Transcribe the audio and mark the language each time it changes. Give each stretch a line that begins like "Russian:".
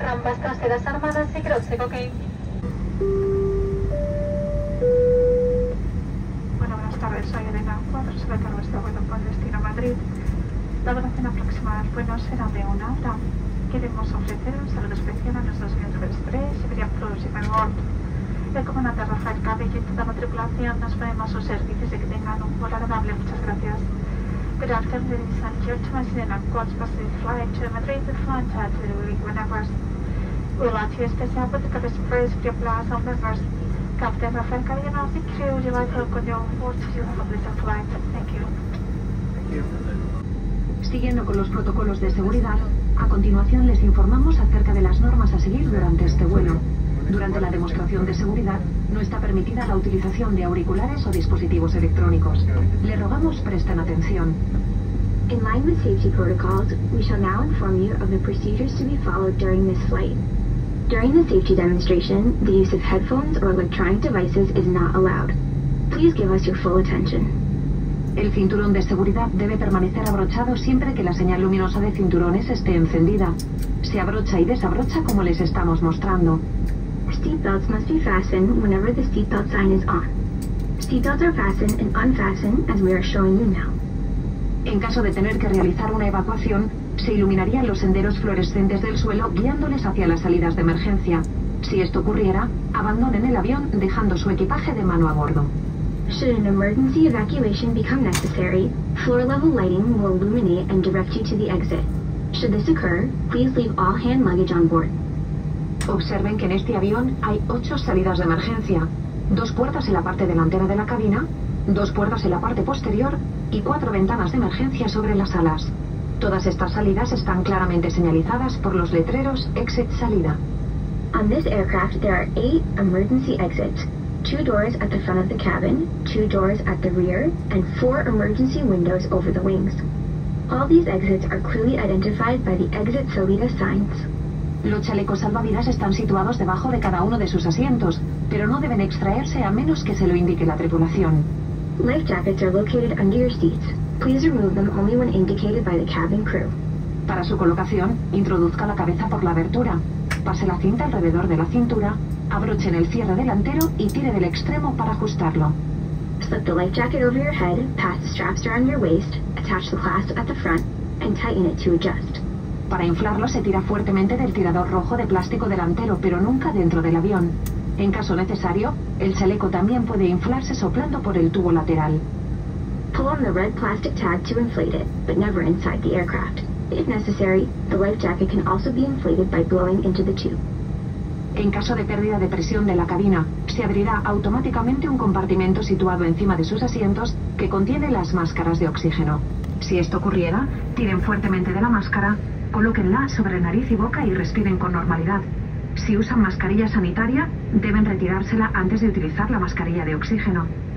Spanish: Rampas traseras armadas, se cache, ok. Bueno, buenas tardes, soy Elena 4, se ve que nuestro vuelo con destino a Madrid. La duración aproximada del vuelo será de una hora. Queremos ofrecer un saludo especial a nuestros miembros 3, Siberia Plus y Memort. El comandante Rafael Cabello y toda la tripulación nos ponemos a sus servicios y que tengan un vuelo agradable. Muchas gracias.
English: Good afternoon, this is San Giorgio, Messina, Quartz Pacific Flight to Madrid, the flight to the Liguin Airways. We would like to especially put the Cabello Express, Siberia Plus, and members. Captain Rafael Cabello and all the crew, would you like to welcome you on board to your pleasant flight? Thank you. Thank you.
Spanish: Siguiendo con los protocolos de seguridad, a continuación les informamos acerca de las normas a seguir durante este vuelo. Durante la demostración de seguridad, no está permitida la utilización de auriculares o dispositivos electrónicos. Le rogamos presten atención.
English: In line with safety protocols, we shall now inform you of the procedures to be followed during this flight. During the safety demonstration, the use of headphones or electronic devices is not allowed. Please give us your full attention.
Spanish: El cinturón de seguridad debe permanecer abrochado siempre que la señal luminosa de cinturones esté encendida. Se abrocha y desabrocha como les estamos mostrando.
English: Seatbelts must be fastened whenever the seatbelt sign is on. Seatbelts are fastened and unfastened as we are showing you now.
Spanish: En caso de tener que realizar una evacuación, se iluminarían los senderos fluorescentes del suelo guiándoles hacia las salidas de emergencia. Si esto ocurriera, abandonen el avión dejando su equipaje de mano a bordo.
English: Should an emergency evacuation become necessary, floor-level lighting will illuminate and direct you to the exit. Should this occur, please leave all hand luggage on board.
Spanish: Observen que en este avión hay 8 salidas de emergencia, 2 puertas en la parte delantera de la cabina, 2 puertas en la parte posterior y 4 ventanas de emergencia sobre las alas. Todas estas salidas están claramente señalizadas por los letreros Exit Salida.
English: On this aircraft there are 8 emergency exits. 2 doors at the front of the cabin, 2 doors at the rear, and 4 emergency windows over the wings. All these exits are clearly identified by the Exit Salida signs.
Spanish: Los chalecos salvavidas están situados debajo de cada uno de sus asientos, pero no deben extraerse a menos que se lo indique la tripulación.
English: Life jackets are located under your seats. Please remove them only when indicated by the cabin crew.
Spanish: Para su colocación, introduzca la cabeza por la abertura, pase la cinta alrededor de la cintura, abrochen el cierre delantero y tire del extremo para ajustarlo.
English: Slip the life jacket over your head, pass the straps around your waist, attach the clasp at the front, and tighten it to adjust.
Spanish: Para inflarlo se tira fuertemente del tirador rojo de plástico delantero, pero nunca dentro del avión. En caso necesario, el chaleco también puede inflarse soplando por el tubo lateral.
English: Pull on the red plastic tag to inflate it, but never inside the aircraft. If necessary, the life jacket can also be inflated by blowing into the tube.
Spanish: En caso de pérdida de presión de la cabina, se abrirá automáticamente un compartimento situado encima de sus asientos que contiene las máscaras de oxígeno. Si esto ocurriera, tiren fuertemente de la máscara, colóquenla sobre nariz y boca y respiren con normalidad. Si usan mascarilla sanitaria, deben retirársela antes de utilizar la mascarilla de oxígeno.